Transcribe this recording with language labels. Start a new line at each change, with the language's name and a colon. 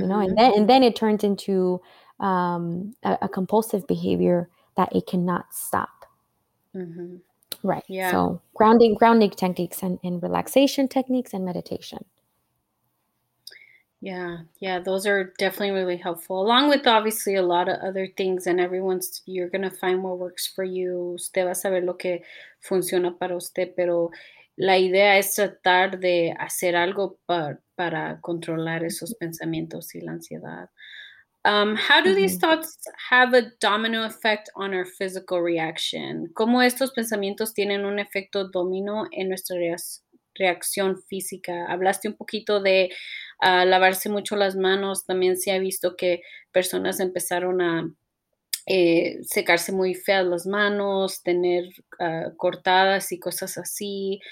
English: you know, and then it turns into a compulsive behavior that it cannot stop. Mm-hmm. Right. Yeah. So grounding techniques and relaxation techniques and meditation. Yeah. Yeah. Those are definitely really helpful, along with obviously a lot of other things, and you're going to find what works for you.
Spanish: Usted va a saber lo que funciona para usted, pero la idea es tratar de hacer algo para controlar esos pensamientos y la ansiedad.
English: How do these thoughts have a domino effect on our physical reaction?
Spanish: ¿Cómo estos pensamientos tienen un efecto domino en nuestra reacción física? Hablaste un poquito de lavarse mucho las manos. También se ha visto que personas empezaron a secarse muy feas las manos, tener cortadas y cosas así.